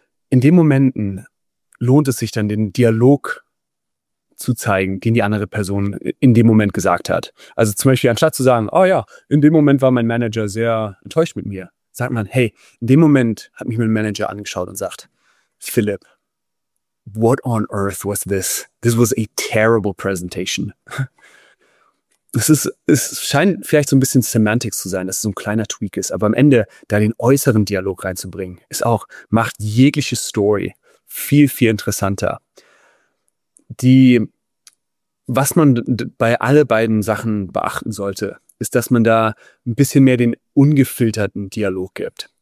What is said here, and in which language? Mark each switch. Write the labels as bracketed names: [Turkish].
[German] In den Momenten lohnt es sich dann, den Dialog zu zeigen, den die andere Person in dem Moment gesagt hat. Also zum Beispiel, anstatt zu sagen, oh ja, in dem Moment war mein Manager sehr enttäuscht mit mir, sagt man, hey, in dem Moment hat mich mein Manager angeschaut und sagt, Philipp, [English] what on earth was this? This was a terrible presentation. [German] Es scheint vielleicht so ein bisschen Semantics zu sein, dass es so ein kleiner Tweak ist, aber am Ende da den äußeren Dialog reinzubringen, ist auch, macht jegliche Story viel, viel interessanter. Was man bei alle beiden Sachen beachten sollte, ist, dass man da ein bisschen mehr den ungefilterten Dialog gibt.